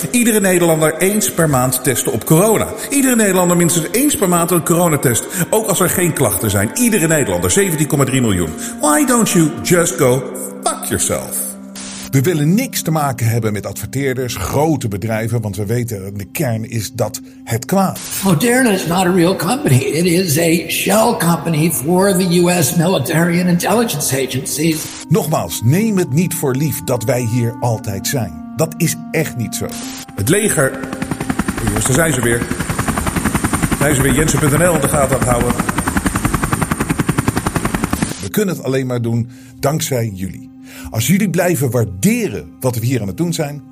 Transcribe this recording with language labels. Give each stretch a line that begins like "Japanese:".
Dutch: Iedere Nederlander eens per maand testen op corona. Iedere Nederlander minstens eens per maand een coronatest. Ook als er geen klachten zijn. Iedere Nederlander. 17,3 miljoen.
English: Why don't you just go fuck yourself?
Dutch: We willen niks te maken hebben met adverteerders, grote bedrijven, want we weten, de kern is dat het kwaad.
English: Moderna is not a real company. It is a shell company for the US military and intelligence agencies.
Dutch: Nogmaals, neem het niet voor lief dat wij hier altijd zijn. Dat is echt niet zo. Het leger. Jongens, daar zijn ze weer. Zijn ze weer Jensen.nl in de gaten aan het houden. We kunnen het alleen maar doen dankzij jullie. Als jullie blijven waarderen wat we hier aan het doen zijn,